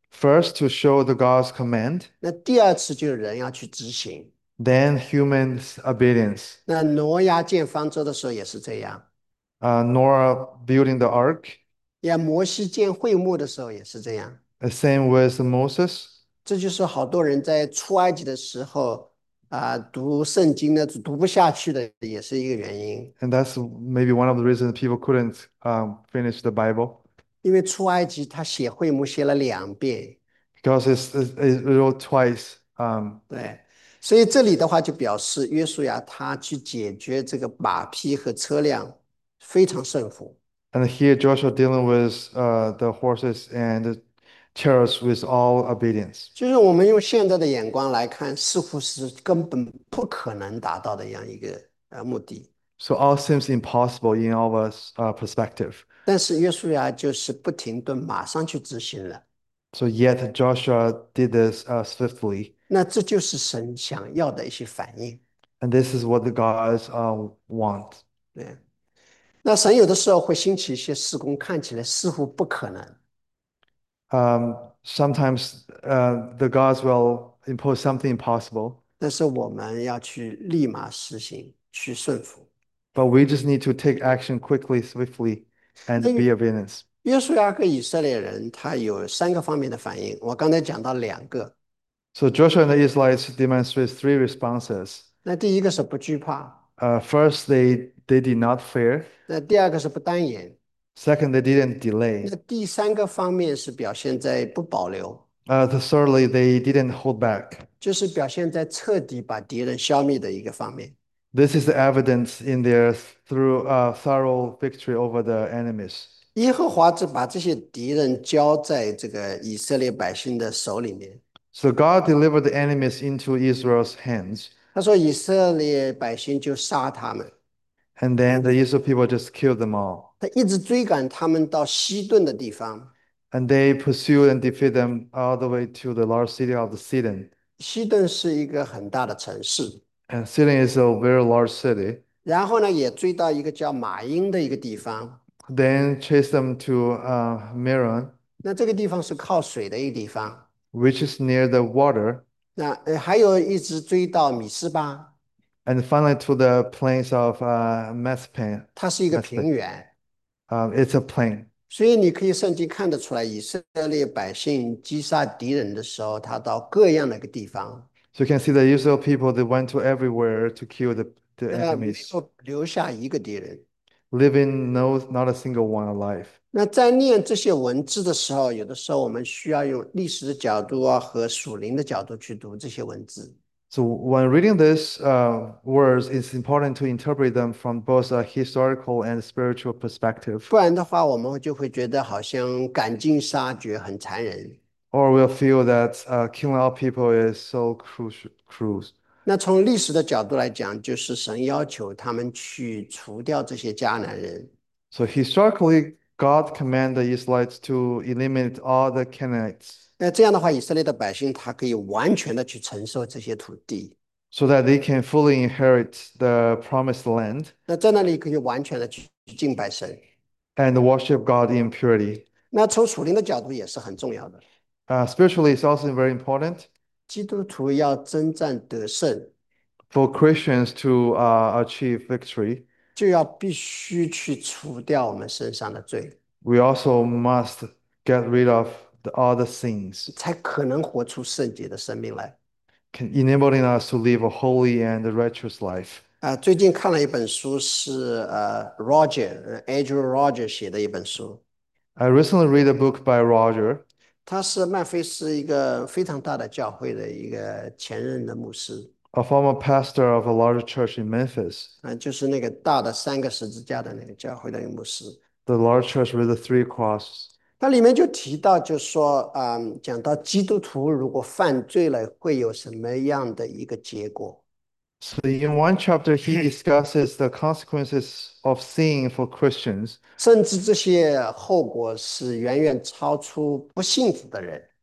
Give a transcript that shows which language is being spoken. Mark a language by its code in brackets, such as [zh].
[en] First, to show the God's command. [zh] 那第二次就是人要去执行。 [en] Then humans' obedience. [zh] 那挪亚建方舟的时候也是这样， [en] Noah building the ark. [zh] 也摩西建会幕的时候也是这样。 [en] The same with Moses. [zh] 这就是好多人在出埃及的时候读圣经呢读不下去的，也是一个原因。 [en] And that's maybe one of the reasons people couldn't finish the Bible. [zh] 因为出埃及他写会幕写了两遍， [en] Because it's wrote twice. [zh] 对。所以这里的话就表示约书亚他去解决这个马匹和车辆非常胜负。 [en] And here Joshua dealing with the horses and the chariots with all obedience. [zh] 就是我们用现在的眼光来看，似乎是根本不可能达到的样一个目的。 [en] So all seems impossible in all of us perspective. [zh] 但是约书亚就是不停顿，马上去执行了。 [en] So yet Joshua did this swiftly. [zh] 那这就是神想要的一些反应。 [en] And this is what the gods want. [zh] 对，那神有的时候会兴起一些事工，看起来似乎不可能。 [en] Sometimes the gods will impose something impossible. [zh] 但是我们要去立马实行，去顺服。 [en] But we just need to take action quickly, swiftly, and 那 be obedient. [zh] 约书亚和以色列人，他有三个方面的反应，我刚才讲到两个。 [en] So Joshua and the Israelites demonstrate three responses. [zh] 那第一个是不惧怕， [en] First, they did not fear. [zh] 那第二个是不单言， [en] Second, they didn't delay. [zh] 那第三个方面是表现在不保留， [en] Thirdly, they didn't hold back. [zh] 就是表现在彻底把敌人消灭的一个方面。 [en] This is the evidence in their thorough victory over the enemies. [zh] 耶和华就把这些敌人交在这个以色列百姓的手里面。 [en] So God delivered the enemies into Israel's hands. [zh] 他说：“以色列百姓就杀他们， [en] And then the Israel people just killed them all. [zh] 他一直追赶他们到西顿的地方。 [en] And they pursued and defeated them all the way to the large city of Sidon. [zh] 西顿是一个很大的城市， [en] And Sidon is a very large city. [zh] 然后呢，也追到一个叫马英的一个地方。 [en] Then chased them to Merom. [zh] 那这个地方是靠水的一个地方。” [en] Which is near the water, [zh] 那还有一直追到米斯巴， [en] and finally to the plains of [zh] 它是一个平原， [en] It's a plain. [zh] 所以你可以圣经看得出来，以色列百姓击杀敌人的时候，他到各样的一个地方， [en] So you can see the usual people they went to everywhere to kill the [zh] 没 [en] enemies, [zh] 有留下一个敌人。 [en] leaving not a single one alive. [zh] 那在念这些文字的时候，有的时候我们需要用历史的角度啊和属灵的角度去读这些文字。 [en] So when reading these words, it's important to interpret them from both a historical and spiritual perspective. [zh] 不然的话，我们就会觉得好像赶尽杀绝，很残忍。 [en] Or we'll feel that killing all people is so crucial. [zh] 那从历史的角度来讲，就是神要求他们去除掉这些迦南人。 [en] So historically, God commanded the Israelites to eliminate all the Canaanites. [zh] 那这样的话，以色列的百姓他可以完全的去承受这些土地， [en] So that they can fully inherit the promised land [zh] 那在那里可以完全的去敬拜神。 [en] and worship God in purity. [zh] 那从属灵的角度也是很重要的。 [en] Spiritually, it's also very important [zh] 基督徒要征战得胜， [en] for Christians to achieve victory. [zh] 就要必须去除掉我们身上的罪。 [en] We also must get rid of all the sins. [zh] 才可能活出圣洁的生命来。 [en] Enabling us to live a holy and righteous life. [zh] 最近看了一本书是，Andrew Roger 写的一本书。 [en] I recently read a book by Roger. [zh] 他是曼菲斯一个非常大的教会的一个前任的牧师。 [en] A former pastor of a large church in Memphis. [zh] 就是那个大的三个十字架的那个教会的一个牧师。 [en] The large church with the three crosses. [zh] 它里面就提到，就说，讲到基督徒如果犯罪了，会有什么样的一个结果？ [en] So in one chapter, he discusses the consequences of sin for Christians. [zh] 甚至这些后果是远远超出不信主的人。